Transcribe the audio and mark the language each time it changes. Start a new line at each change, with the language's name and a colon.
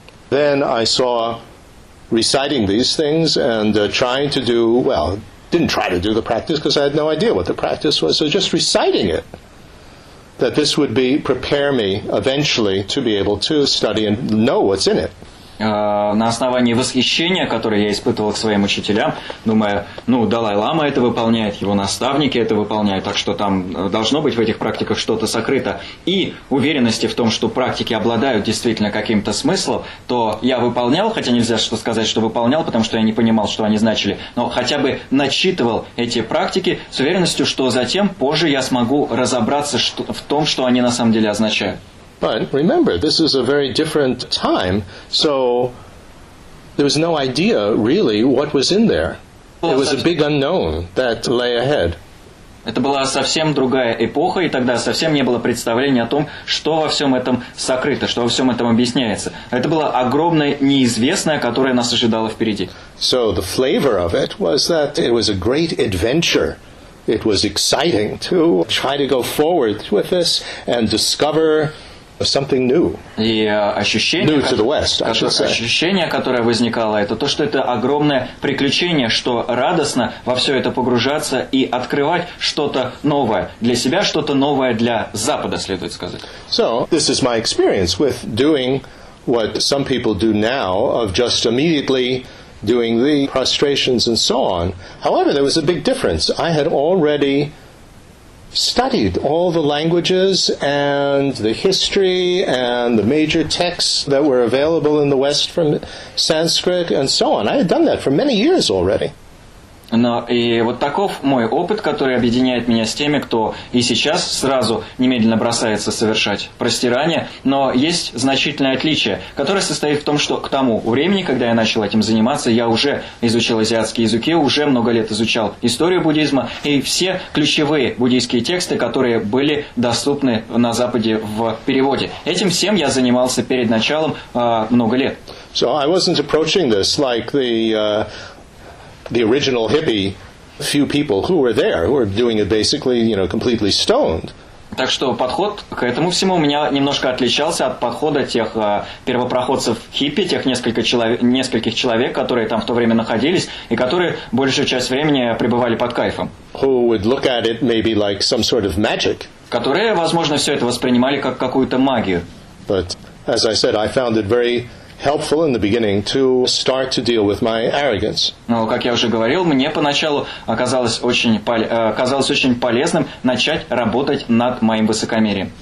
English: then I saw reciting these things and trying to do, well, didn't try to do the practice because I had no idea what the practice was, so just reciting it, that this would be prepare me eventually to be able to study and know what's in it.
Russian: На основании восхищения, которое я испытывал к своим учителям, думая, ну, Далай-лама это выполняет, его наставники это выполняют, так что там должно быть в этих практиках что-то сокрыто, и уверенности в том, что практики обладают действительно каким-то смыслом, то я выполнял, хотя нельзя что сказать, что выполнял, потому что я не понимал, что они значили, но хотя бы начитывал эти практики с уверенностью, что затем, позже я смогу разобраться в том, что они на самом деле означают.
English: But remember, this is a very different time, so there was no idea really what was in there. It was a big unknown that lay ahead.
Russian: Это была совсем другая эпоха, и тогда совсем не было представления о том, что во всем этом сокрыто, что во всем этом объясняется. Это была огромная неизвестная, которая нас ожидала впереди.
English: So the flavor of it was that it was a great adventure. It was exciting to try to go forward with this and discover something new.
Russian: И ощущение,
English: new to the West, I should say.
Russian: Ощущение, которое возникало, это то, что это огромное приключение, что радостно во все это погружаться и открывать что-то новое для себя, что-то новое для Запада, следует сказать.
English: So, this is my experience with doing what some people do now, of just immediately doing the prostrations and so on. However, there was a big difference. I had already studied all the languages and the history and the major texts that were available in the West from Sanskrit and so on. I had done that for many years already.
Russian: Но и вот таков мой опыт, который объединяет меня с теми, кто и сейчас сразу немедленно бросается совершать простирание. Но есть значительное отличие, которое состоит в том, что к тому времени, когда я начал этим заниматься, я уже изучил азиатские языки, уже много лет изучал историю буддизма и все ключевые буддийские тексты, которые были доступны на Западе в переводе. Этим всем я занимался перед началом много лет.
English: So I wasn't approaching this like the original hippie, few people who were there, who were doing it basically, you know, completely stoned.
Russian: Так что подход к этому всему у меня немножко отличался от подхода тех первопроходцев хиппи, тех нескольких человек, которые там в то время находились, и которые большую часть времени пребывали под кайфом.
English: Who would look at it maybe like some sort of magic.
Russian: Которые, возможно, все это воспринимали как какую-то магию.
English: But, as I said, I found it very helpful in the beginning to start to deal with my arrogance.
Russian: Но, как я уже говорил, мне поначалу казалось очень полезным начать работать над моим высокомерием.